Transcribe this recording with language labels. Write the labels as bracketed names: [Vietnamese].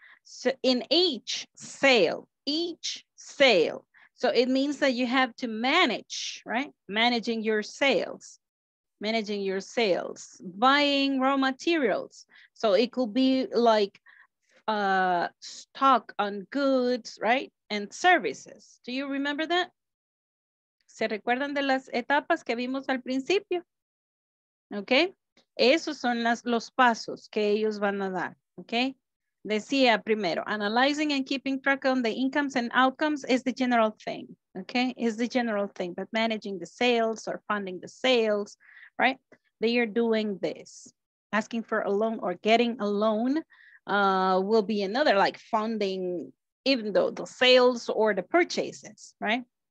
[English] So in each sale. So it means that you have to manage, right? Managing your sales, buying raw materials. So it could be like stock on goods, right? And services. Do you remember that? [Spanish] ¿Se recuerdan de las etapas que vimos al principio? Okay. Esos son los pasos que ellos van a dar. [English] Okay. [Spanish] Decía primero, [English] analyzing and keeping track on the incomes and outcomes is the general thing. Okay. Is the general thing. But managing the sales or funding the sales, right? They are doing this. Asking for a loan or getting a loan will be another, like funding, even though the sales or the purchases, right?